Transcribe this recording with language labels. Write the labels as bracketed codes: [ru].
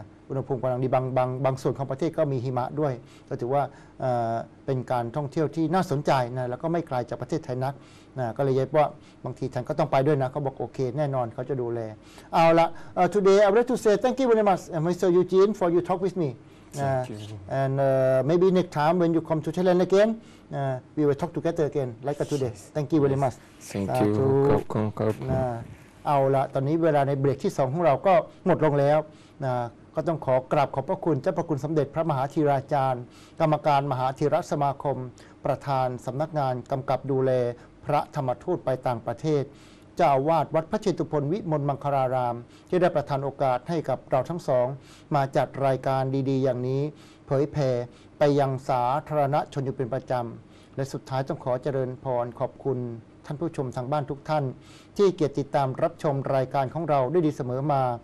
[th] อุณหภูมิกำลังดีบางส่วนของประเทศก็มีหิมะด้วยก็ถือว่าเป็นการท่องเที่ยวที่น่าสนใจนะแล้วก็ไม่ไกลจากประเทศไทยนักนะก็เลยย้ายว่าบางทีฉันก็ต้องไปด้วยนะเขาบอกโอเคแน่นอนเขาจะดูแลเอาละ [en] today I would like to say thank you very much Mr. Eugene for you talk with me and maybe next time when you come to Thailand again we will talk together again like today thank you very much thank you [th] เอาละตอนนี้เวลาในเบรกที่2ของเราก็หมดลงแล้วนะก็ต้องขอกราบขอบพระคุณเจ้าพระคุณสมเด็จพระมหาธีราจารย์กรรมการมหาธีรสมาคมประธานสำนักงานกำกับดูแล พระธรรมทูตไปต่างประเทศเจ้าอาวาสวัดพระเชตุพนวิมลมังคลารามที่ได้ประทานโอกาสให้กับเราทั้งสองมาจัดรายการดีๆอย่างนี้เผยแผ่ไปยังสาธารณชนอยู่เป็นประจำและสุดท้ายต้องขอเจริญพรขอบคุณท่านผู้ชมทางบ้านทุกท่านที่เกียรติติดตามรับชมรายการของเราด้วยดีเสมอมา